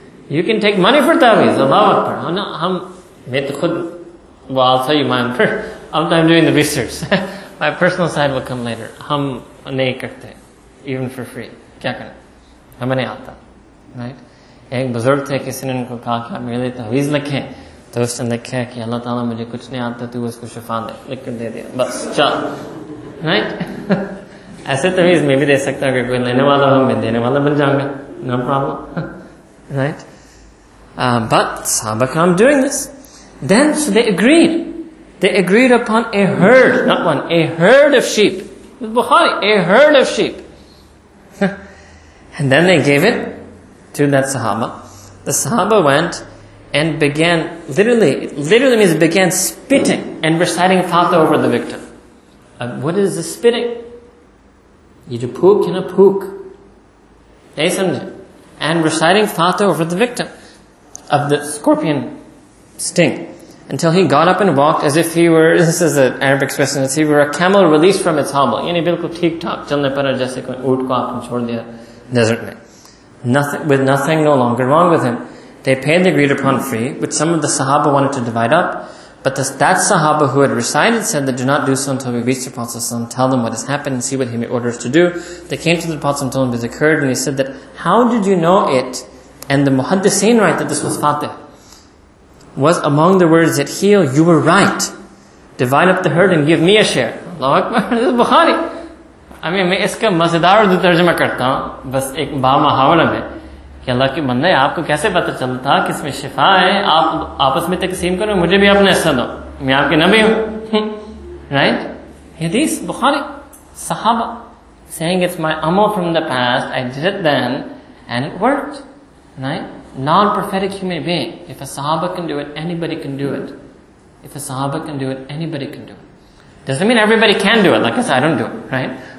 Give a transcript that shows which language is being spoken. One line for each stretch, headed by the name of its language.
English: You can take money for ta'weez, Allahu Akbar. I'll tell you my own. I'm doing the research. My personal side will come later.
Urdu: ہم نہیں کرتے,
English: even for free.
Urdu: کیا کرنا? ہم نہیں آتا.
English: Right?
Urdu: ایک بزرگ تھے, کسی نے ان کو کہا کہ آپ میرے لیے تعویذ لکھے. تو اسنے لکھا کہ اللہ تعالیٰ مجھے کچھ نہیں آتا, تو اس کو شفا دے. لکھ کر دے دیا. بس چل.
English: Right?
Urdu: ایسے تعویذ میں بھی دے سکتا ہوں اگر کوئی لینے والا ہو, میں دینے والا بن جاؤں گا.
English: No problem. Right? But Sahaba Kiram doing this. Then, so they agreed. They agreed upon a herd, not one, a herd of sheep. Bukhari, a herd of sheep. And then they gave it to that Sahaba. The Sahaba went and began, literally means began spitting and reciting fatha over the victim. What is the spitting? You do pook in a pook. And reciting fatha over the victim of the scorpion sting. Until he got up and walked as if he were, this is an Arabic expression, as if he were a camel released from its hobble.
Urdu: یعنی بالکل ٹھیک ٹھاک, چلنے پر جیسے کوئی اونٹ کو آپنے چھوڑ دیا ڈیزرٹ میں.
English: Nothing, with nothing no longer wrong with him. They paid the agreed upon fee, which some of the Sahaba wanted to divide up. But that Sahaba who had recited said that do not do so until we reach the Prophet ﷺ, tell them what has happened and see what he may order us to do. They came to the Prophet ﷺ and told him what has occurred, and he said that, how did you know it? And the muhaddisin write that this was fatih. Was among the words that heal, you were right. Divide up the herd and give me a share. Allahu Akbar, this is Bukhari. I mean,
Urdu: میں اس کا مزیدار اردو ترجمہ کرتا ہوں, بس ایک با محاورہ میں. کہ اللہ کے بندے, آپ کو کیسے پتا چلتا کہ اس میں شفا ہے, آپ آپس میں تقسیم کرو, مجھے بھی اپنا حصہ دو. میں آپ کے نبی ہوں.
English: Right? Hadith, Bukhari, Sahaba, saying it's my amal from the past, I did it then, and it worked. Right? Non-prophetic human being. If a Sahaba can do it, anybody can do it. If a Sahaba can do it, anybody can do it. Doesn't mean everybody can do it. Like I said, I don't do it, right?